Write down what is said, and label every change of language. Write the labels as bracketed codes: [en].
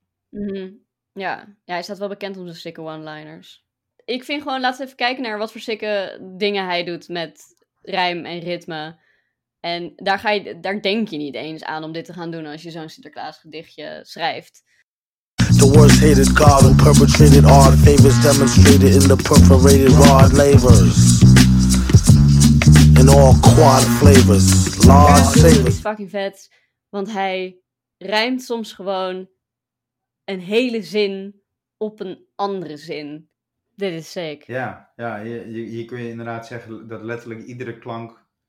[nl] Mm-hmm. Ja. Ja, hij staat wel bekend om zijn sikke one-liners. Ik vind gewoon, laten we even kijken naar wat voor sikke dingen hij doet met rijm en ritme. En daar denk je niet eens aan om dit te gaan doen als je zo'n Sinterklaas gedichtje schrijft. [en] The worst hated god who perpetrated all the favors demonstrated in the perforated rod labors. In all quad flavors. Large flavors. [nl] Fucking vet, want hij rijmt soms gewoon een hele zin op een andere zin. Dit is sick. Ja, hier kun je inderdaad zeggen dat letterlijk iedere klank